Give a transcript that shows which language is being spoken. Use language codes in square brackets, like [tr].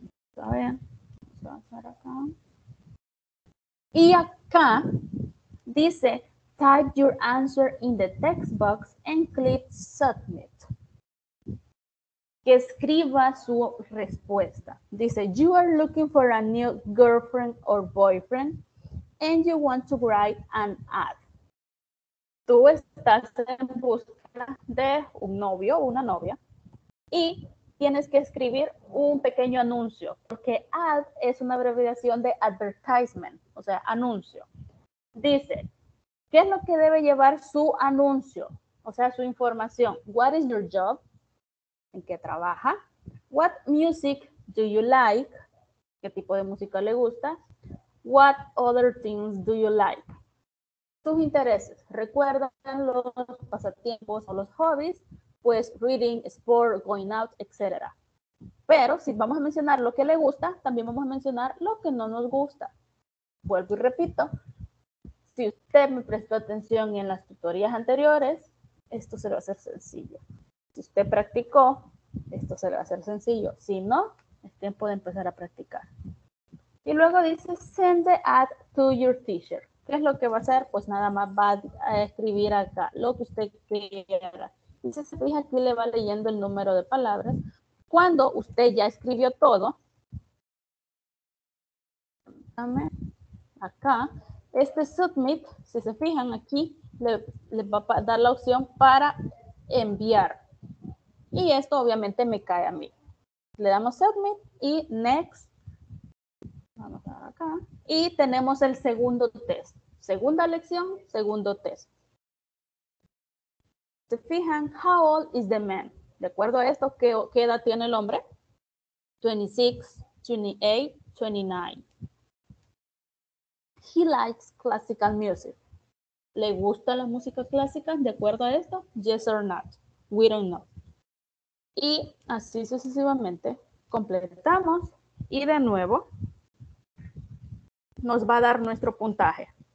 [es] Está bien. Vamos a pasar acá. Y acá dice, [en] type your answer in the text box and click submit. [es] Que escriba su respuesta. [en] Dice, you are looking for a new girlfriend or boyfriend and you want to write an ad. [es] Tú estás en busca de un novio o una novia y tienes que escribir un pequeño anuncio, porque ad es una abreviación de advertisement, o sea, anuncio. Dice, ¿qué es lo que debe llevar su anuncio? O sea, su información. [en] What is your job? [es] ¿En qué trabaja? [en] What music do you like? [es] ¿Qué tipo de música le gusta? [en] What other things do you like? [es] Tus intereses. ¿Recuerdan los pasatiempos o los hobbies? [en] Pues reading, sport, going out, etc. [es] Pero si vamos a mencionar lo que le gusta, también vamos a mencionar lo que no nos gusta. Vuelvo y repito. Si usted me prestó atención en las tutorías anteriores, esto se le va a hacer sencillo. Si usted practicó, esto se le va a hacer sencillo. Si no, es tiempo de empezar a practicar. Y luego dice, [en] send the ad to your teacher. [es] ¿Qué es lo que va a hacer? Pues nada más va a escribir acá lo que usted quiera. Y si se fija aquí, le va leyendo el número de palabras. Cuando usted ya escribió todo, acá, este submit, si se fijan aquí, le va a dar la opción para enviar. Y esto obviamente me cae a mí. Le damos submit y next. Vamos acá. Y tenemos el segundo test. Segunda lección, segundo test. Se fijan, [en] how old is the man? [es] De acuerdo a esto, ¿qué edad tiene el hombre? 26, 28, 29. [en] He likes classical music. [es] ¿Le gusta la música clásica? De acuerdo a esto, [en] yes or not. We don't know. [es] Y así sucesivamente, completamos. Y de nuevo, nos va a dar nuestro puntaje.